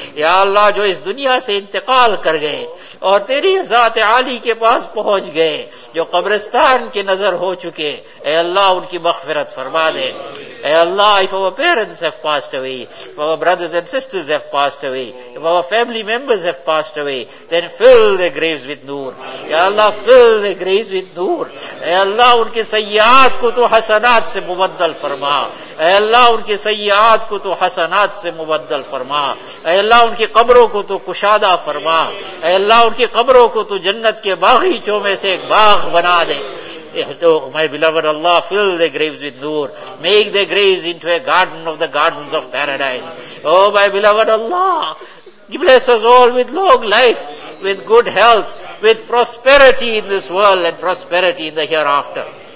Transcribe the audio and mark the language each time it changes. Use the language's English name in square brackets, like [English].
[Urdu] Ya Allah, jo is duniya se انتقال کر گئے اور تیری ذات عالی کے پاس پہنچ گئے, جو قبرستان کے نظر ہو چکے, اے اللہ ان کی مغفرت فرما دے. [English] اے Allah, if our parents have passed away, if our brothers and sisters have passed away, if our family members have passed away, then fill their graves with noor. اے Allah, fill their graves with noor. [Urdu] اے اللہ, ان کے سیئات کو تو حسنات سے مبدل فرما. اے اللہ, ان کے سیئات کو تو حسنات سے مبدل فرما. اے اللہ, ان کی قبروں کو تو کشا فرما. اے اللہ, ان کی قبروں کو تو جنت کے باغیچوں میں سے ایک باغ بنا دے. [English] My beloved Allah, fill their graves with noor. Make their graves into a garden of the gardens of paradise. Oh my beloved Allah, bless us all with long life, with good health, with prosperity in this world and prosperity in the hereafter.